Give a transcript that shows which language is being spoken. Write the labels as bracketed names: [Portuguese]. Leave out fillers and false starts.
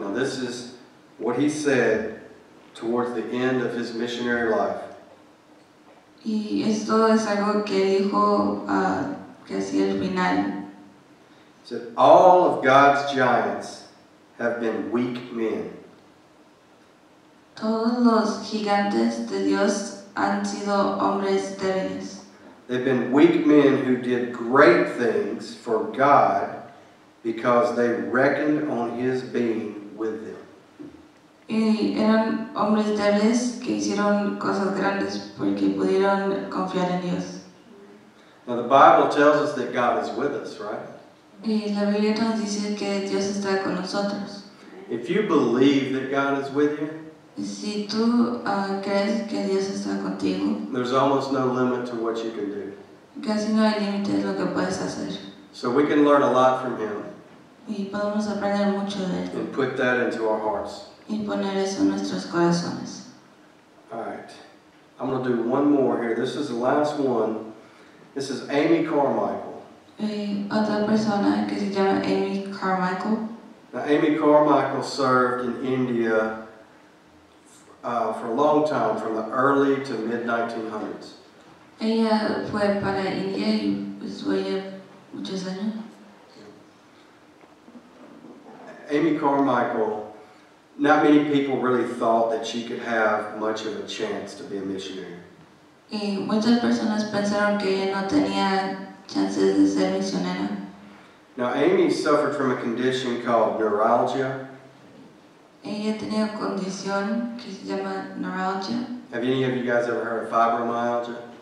[English] Now this is what he said towards the end of his missionary life. [Spanish] Y esto es algo que dijo que hacía el final. [English] He said, all of God's giants have been weak men. [Spanish] Todos los gigantes de Dios han sido hombres débiles. [English] They've been weak men who did great things for God because they reckoned on His being with them. [Spanish] Y eran hombres débiles que hicieron cosas grandes porque pudieron confiar en Dios. [English] Now the Bible tells us that God is with us, right? [Spanish] Y la Biblia nos dice que Dios está con nosotros. [English] If you believe that God is with you, [Spanish] si tú crees que Dios está contigo, [English] there's almost no limit to what you can do. [Spanish] Casi no hay límite de lo que puedes hacer. [English] So we can learn a lot from Him. [Spanish] Y podemos aprender mucho de él. [English] And put that into our hearts. [Spanish] Y poner eso en nuestros corazones. [English] Alright. I'm going to do one more here. This is the last one. This is Amy Carmichael. [Spanish] Otra persona que se llama Amy Carmichael. [English] Now, Amy Carmichael served in India for a long time, from the early to mid-1900s. [Spanish] Ella fue para India y estuvo allá muchos años. [English] Amy Carmichael, not many people really thought that she could have much of a chance to be a missionary. [Spanish] Y muchas personas pensaron que ella no tenía chances de ser misionera. [English] Now, Amy suffered from a condition called neuralgia. [Spanish] Ella tenía una condición que se llama neuralgia. [English] Have any of you guys ever heard of fibromyalgia?